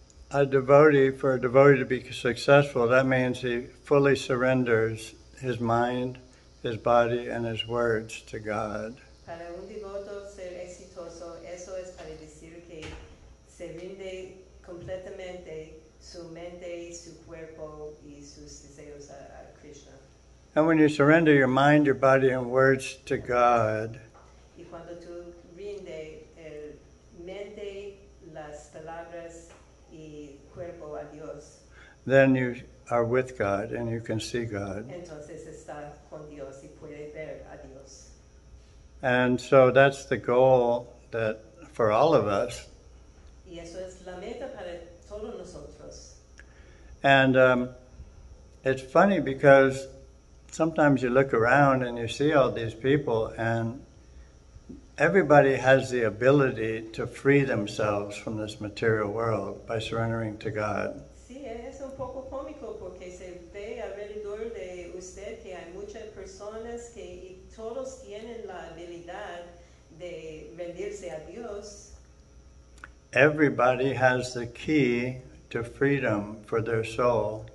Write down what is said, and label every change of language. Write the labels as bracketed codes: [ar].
[en] A devotee, for a devotee to be successful, that means he fully surrenders his mind, his body, and his words to God. [es] Para un devoto ser exitoso, eso es para decir que se rinde completamente su mente, su cuerpo, y sus deseos a Krishna. [en] And when you surrender your mind, your body, and words to God, [es] y cuando tú rinde el mente, las palabras, y cuerpo a Dios, [en] then you are with God and you can see God. [es] Entonces está con Dios y puede ver a Dios. [en] And so that's the goal that for all of us. [es] Y eso es la meta para todos nosotros. [en] And it's funny because sometimes you look around and you see all these people and everybody has the ability to free themselves from this material world by surrendering to God. [es] Sí, es un poco cómico porque se ve alrededor de usted que hay muchas personas que todos tienen la habilidad de rendirse a Dios. [en] Everybody has the key to freedom for their soul.